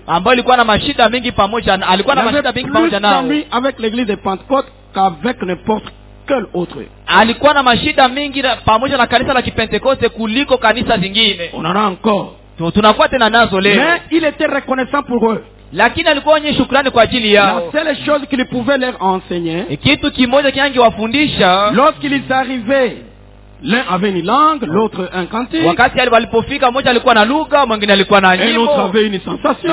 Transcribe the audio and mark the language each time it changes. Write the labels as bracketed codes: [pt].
[sw] Ambao alikuwa na mashida mengi pamoja na alikuwa na mashida mengi pamoja nao. [fr] Il avait plus d'ennuis avec l'église de Pentecôte qu'avec n'importe quel autre. [sw] Alikuwa na mashida mingi pamoja na kanisa la Kipentekoste kuliko kanisa zingine. Unaona encore. Tunakuwa tena nazo leo. [fr] Mais il était reconnaissant pour eux. [sw] Lakini alikuwa mwenye shukrani kwa ajili yao. [fr] La seule chose qu'il pouvait leur enseigner. [sw] Et kitu kimoja kingewafundisha. [fr] Lorsqu'ils arrivaient, l'un avait une langue, l'autre un cantique. [sw] Wakati alipofika mmoja alikuwa na lugha, mwingine alikuwa na nyimbo. [fr] L'autre avait une sensation.